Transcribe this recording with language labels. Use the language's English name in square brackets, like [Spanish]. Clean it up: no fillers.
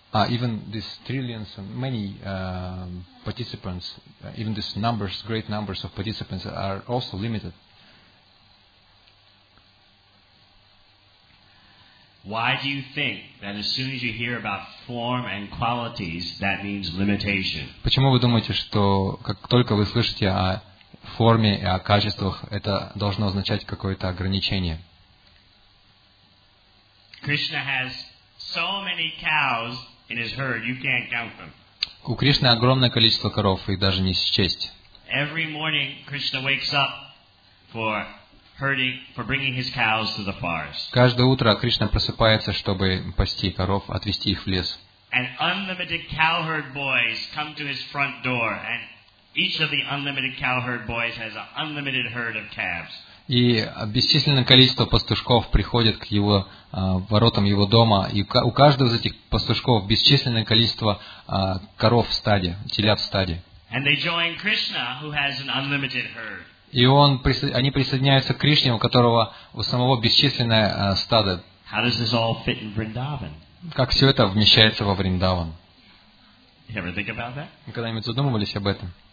[English] Even these trillions and many participants, even these numbers, great numbers of participants are also limited. Why do you think that as soon as you hear about form and qualities, that means limitation? [Russian] Почему вы думаете, что как только вы слышите о форме и о качествах, это должно означать какое-то ограничение? [English] Krishna has so many cows in his herd, you can't count them. [Russian] У Кришны огромное количество коров, их даже не счесть. [English] Every morning Krishna wakes up for herding, for bringing his cows to the forest. [Russian] Каждое утро Кришна просыпается, чтобы пасти коров, отвезти их в лес. [English] And unlimited cowherd boys come to his front door, and each of the unlimited cowherd boys has an unlimited herd of calves. [Russian] И бесчисленное количество пастушков приходит к его воротам его дома, и у каждого из этих пастушков бесчисленное количество коров в стаде, телят в стаде. [English] And they join Krishna, who has an unlimited herd. [Russian] И они присоединяются к Кришне, у которого у самого бесчисленное стадо. [English] How does this all fit in Vrindavan? [Russian] Как все это вмещается во Вриндаван? [English] You ever think about that? [Russian] Вы когда-нибудь задумывались об этом?